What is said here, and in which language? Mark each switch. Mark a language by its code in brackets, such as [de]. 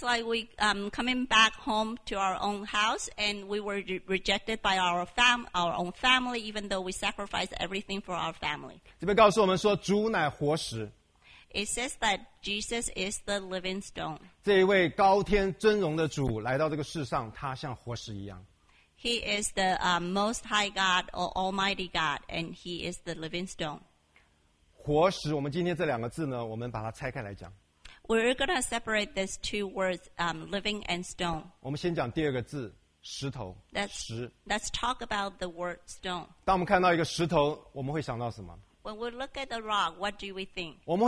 [en] like we coming back home to our own house, and we were rejected by our own family, even though we sacrificed everything for our family. [zh] 这边告诉我们说，主乃活石。 [en] It says that Jesus is the living stone. [zh] 这一位高天尊荣的主来到这个世上，他像活石一样。 [en] He is the most high God or almighty God, and he is the living stone. [zh] 活石，我们今天这两个字呢，我们把它拆开来讲。 [en] We're going to separate these two words, living and stone. [zh] 我们先讲第二个字，石头，石。 [en] Let's talk about the word stone. [zh] 当我们看到一个石头，我们会想到什么？ [en] When we look at the rock, what do we think?